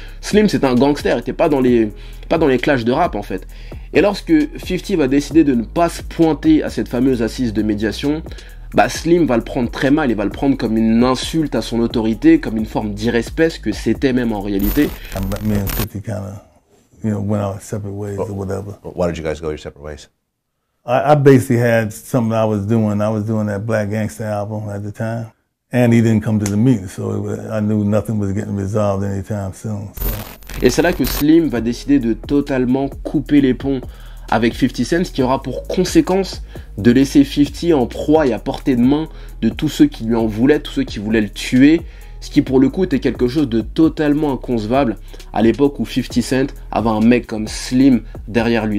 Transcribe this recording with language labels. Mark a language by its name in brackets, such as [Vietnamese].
[French] Slim, c'est un gangster, il était pas dans les clashs de rap, en fait. Et lorsque 50 va décider de ne pas se pointer à cette fameuse assise de médiation, bah Slim va le prendre très mal, il va le prendre comme une insulte à son autorité, comme une forme d'irrespect, ce que c'était même en réalité. [English] Me and 50 kind of, you know, went our separate ways or whatever. Why did you guys go your separate ways? I basically had something I was doing. I was doing that Black Gangsta album at the time, and he didn't come to the meeting, so I knew nothing was getting resolved anytime soon. So. [French] Et c'est là que Slim va décider de totalement couper les ponts avec 50 Cent, ce qui aura pour conséquence de laisser 50 en proie et à portée de main de tous ceux qui lui en voulaient, tous ceux qui voulaient le tuer, ce qui pour le coup était quelque chose de totalement inconcevable à l'époque où 50 Cent avait un mec comme Slim derrière lui.